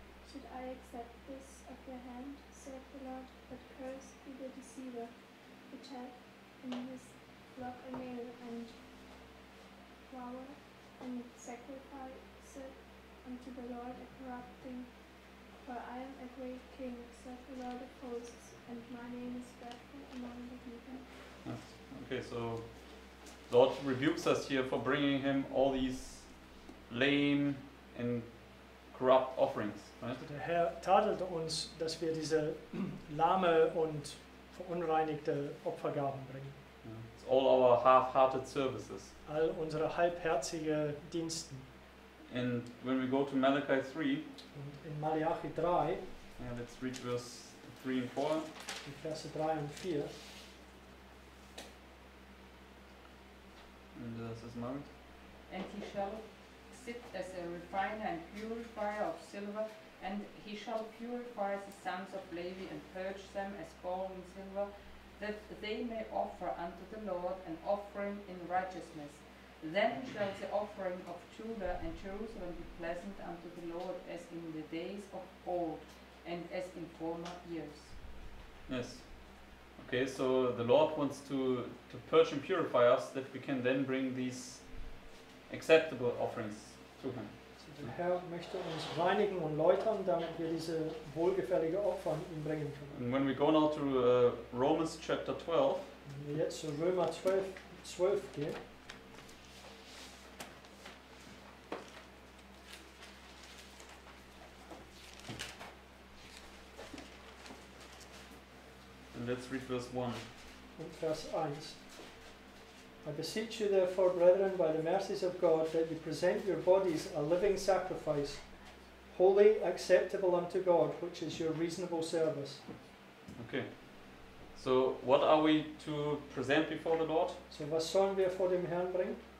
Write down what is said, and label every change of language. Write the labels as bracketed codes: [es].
[en] Should I accept this of your hand, saith the Lord, but cursed be the deceiver, which hath in his block a nail and flower, and sacrificeth unto the Lord a corrupt thing. For I am a great king, saith the Lord of hosts, and my name is dreadful among the heathen. Okay, so Lord rebukes us here for bringing him all these lame and corrupt offerings. Right? [de] Der Herr tadelt uns, dass wir diese lahme und verunreinigte Opfergaben bringen. [en] Yeah. It's all our half-hearted services. [de] All unsere halbherzige Diensten. [en] And when we go to Malachi 3, [de] und in Malachi 3, [en] yeah, let's read verse 3 and 4. [de] In Verse 3 und 4. [en] And this is Mark. And he shall sit as a refiner and purifier of silver, and he shall purify the sons of Levi and purge them as gold and silver, that they may offer unto the Lord an offering in righteousness. Then shall the offering of Judah and Jerusalem be pleasant unto the Lord as in the days of old and as in former years. Yes. Okay, so the Lord wants to purge and purify us, that we can then bring these acceptable offerings to him. So [de] Der Herr möchte uns reinigen und läutern, damit wir diese wohlgefällige Opfer ihm bringen können. [en] And when we go now to Romans chapter 12, [de] wenn wir jetzt zu Römer 12 gehen, [en] let's read verse 1. [de] Und Vers 1. [en] I beseech you therefore, brethren, by the mercies of God, that you present your bodies a living sacrifice, holy, acceptable unto God, which is your reasonable service. Okay. So what are we to present before the Lord? [de] So was sollen wir vor dem Herrn bringen?